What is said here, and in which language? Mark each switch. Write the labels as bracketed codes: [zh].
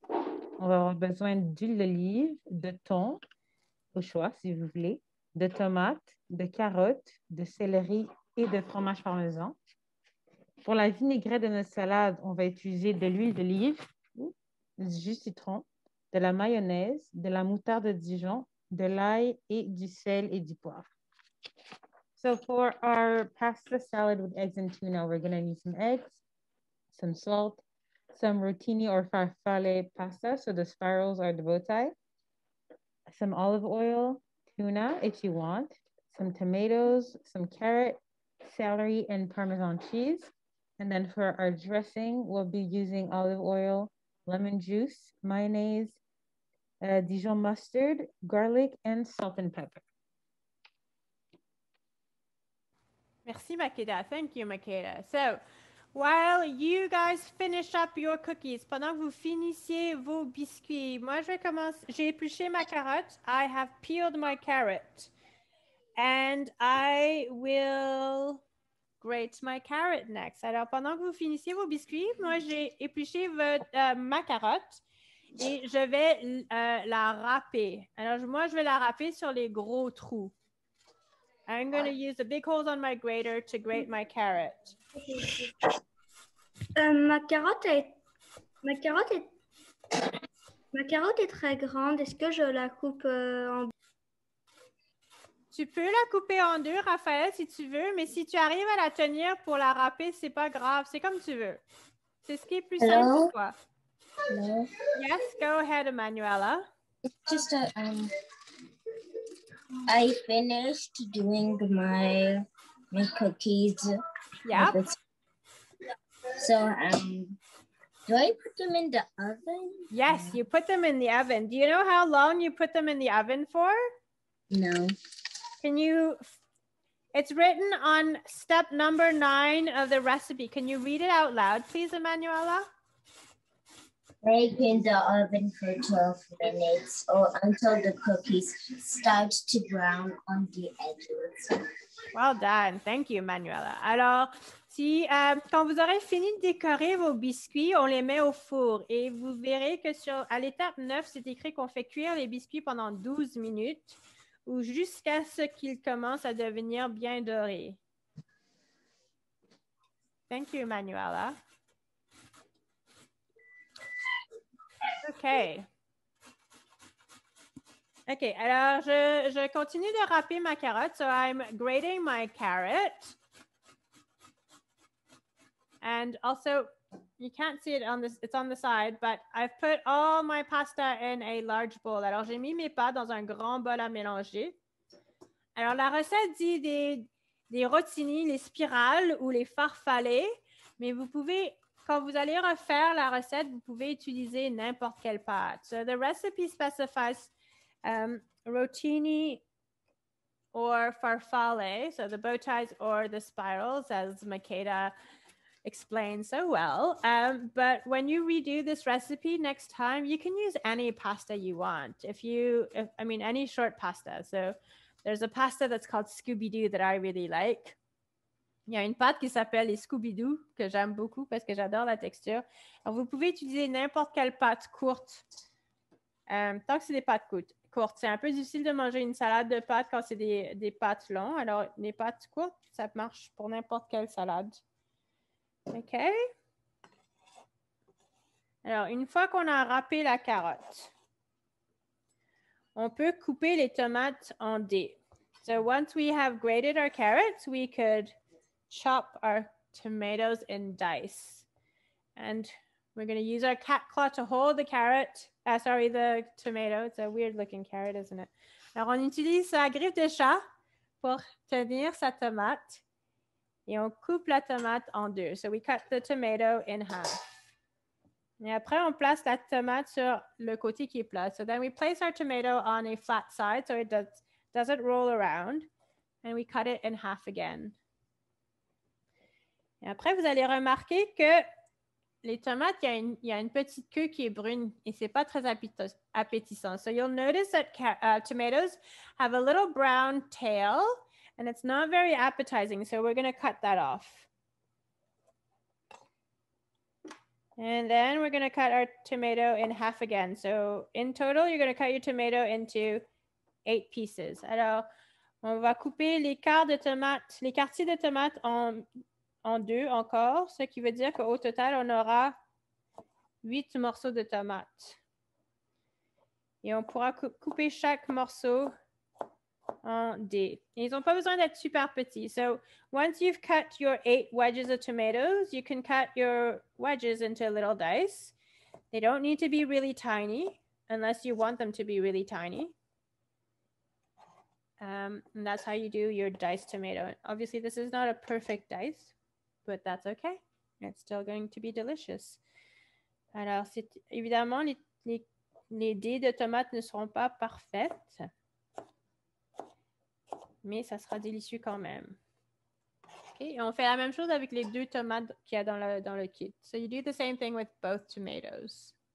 [fr] On va avoir besoin d'huile d'olive, de thon, au choix, si vous voulez, de tomates, de carottes, de céleri et de fromage parmesan. Pour la vinaigrette de notre salade, on va utiliser de l'huile d'olive, du jus citron, de la mayonnaise, de la moutarde de Dijon, de l'ail et du sel et du poivre. [en] So for our pasta salad with eggs and tuna, we're going to need some eggs, some salt, some rotini or farfalle pasta, so the spirals are the bow tie, some olive oil, tuna if you want, some tomatoes, some carrot, celery, and Parmesan cheese. And then for our dressing, we'll be using olive oil, lemon juice, mayonnaise, Dijon mustard, garlic, and salt and pepper. [fr] Merci, Makeda. [en] Thank you, Makeda. So while you guys finish up your cookies, [fr] pendant que vous finissiez vos biscuits, moi, je commence. J'ai épluché ma carotte. [en] I have peeled my carrot. And I will grate my carrot next. [fr] Alors, pendant que vous finissiez vos biscuits, moi, j'ai épluché ma carotte et je vais la râper. Alors, moi, je vais la râper sur les gros trous. I'm going to use the big holes on my grater to grate my carrot. Ma carotte est très grande. Est-ce que je la coupe en... Tu peux la couper en deux, Raphaël, si tu veux, mais si tu arrives à la tenir pour la râper, c'est pas grave. C'est comme tu veux. C'est ce qui est plus [en] Hello? [fr] Simple pour toi. [en] Hello? Yes, go ahead, Emanuela. It's just a, I finished doing my cookies. Yep. So, do I put them in the oven? Yes, you put them in the oven. Do you know how long you put them in the oven for? No. Can you, it's written on step number 9 of the recipe. Can you read it out loud, please, Emanuela? Bake in the oven for 12 minutes or until the cookies start to brown on the edges. Well done. Thank you, Emanuela. [fr] Alors, si, quand vous aurez fini de décorer vos biscuits, on les met au four. Et vous verrez que sur, à l'étape 9, c'est écrit qu'on fait cuire les biscuits pendant 12 minutes ou jusqu'à ce qu'ils commencent à devenir bien dorés. [en] Thank you, Emanuela. Okay. [fr] Okay, alors je continue de râper ma carotte. [en] So I'm grating my carrot. And also, you can't see it on this, it's on the side, but I've put all my pasta in a large bowl. [fr] Alors j'ai mis mes pâtes dans un grand bol à mélanger. Alors la recette dit des rotini, les spirales ou les farfalets, mais vous pouvez... Quand vous allez refaire la recette, vous pouvez utiliser n'importe quelle pâte. [en] So the recipe specifies rotini or farfalle, so the bow ties or the spirals, as Makeda explained so well. But when you redo this recipe next time, you can use any pasta you want. Any short pasta. So there's a pasta that's called Scooby-Doo that I really like. [fr] Il y a une pâte qui s'appelle les Scooby-Doo, que j'aime beaucoup parce que j'adore la texture. Alors, vous pouvez utiliser n'importe quelle pâte courte, tant que c'est des pâtes courtes. C'est un peu difficile de manger une salade de pâtes quand c'est des pâtes longues. Alors, les pâtes courtes, ça marche pour n'importe quelle salade. OK? Alors, une fois qu'on a râpé la carotte, on peut couper les tomates en dés. [en] So, once we have grated our carrots, we could... chop our tomatoes in dice. And we're going to use our cat claw to hold the carrot. Sorry, the tomato. It's a weird looking carrot, isn't it? [fr] Alors, on utilise sa griffe de chat pour tenir sa tomate. Et on coupe la tomate en deux. [en] So we cut the tomato in half. [fr] Et après, on place la tomate sur le côté qui est plat. [en] So then we place our tomato on a flat side so it doesn't roll around. And we cut it in half again. [fr] Et après, vous allez remarquer que les tomates, il y a une petite queue qui est brune et ce n'est pas très appétissant. [en] So you'll notice that tomatoes have a little brown tail and it's not very appetizing. So we're going to cut that off. And then we're going to cut our tomato in half again. So in total, you're going to cut your tomato into 8 pieces. [fr] Alors, on va couper les quarts de tomates, les quartiers de tomates en deux encore, ce qui veut dire qu'au total, on aura 8 morceaux de tomates. Et on pourra couper chaque morceau en dés. Ils n'ont pas besoin d'être super petits. [en] So, once you've cut your 8 wedges of tomatoes, you can cut your wedges into a little dice. They don't need to be really tiny, unless you want them to be really tiny. And that's how you do your diced tomato. Obviously, this is not a perfect dice. But that's okay. It's still going to be delicious. [fr] Alors, c'est, évidemment, les dés de tomates ne seront pas parfaites. Mais ça sera délicieux quand même. Okay, et on fait la même chose avec les deux tomates qu'il y a dans le kit. [en] So you do the same thing with both tomatoes.